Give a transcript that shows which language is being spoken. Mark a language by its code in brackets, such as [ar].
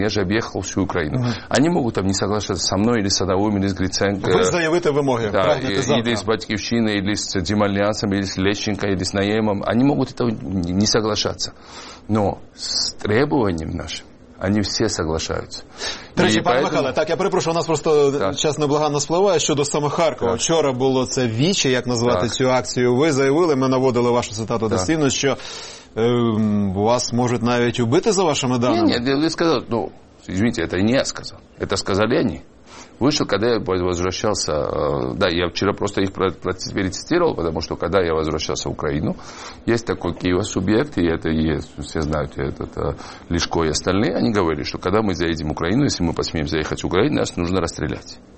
[ru] Я же объехал всю Украину. Они могут там не соглашаться со мной, или с Адамовым, или с Гриценко. [uk] Вы заявите вымоги. [ru] Да, или с Батьковщиной, или с Демальянсом, или с Лещенко, или с Наемом. Они могут этого не соглашаться. Но с требованием нашим они все соглашаются. [uk] Третій, пане Михайле, так, я перепрошую, у нас просто час неблаганно спливає щодо саме Харкова. Так. Вчора було це віче, як назвати так. Цю акцію. Ви заявили, ми наводили вашу цитату достійно, що вас можуть навіть убити за вашими даними. Ні, ви сказали, це не я сказав. Це сказали вони. [ru] Вышел, когда я возвращался, я вчера просто их перецитировал, потому что когда я возвращался в Украину, есть такой Киево-субъект, и это есть, все знают, это Лешко и остальные, они говорили, что когда мы заедем в Украину, если мы посмеем заехать в Украину, нас нужно расстрелять.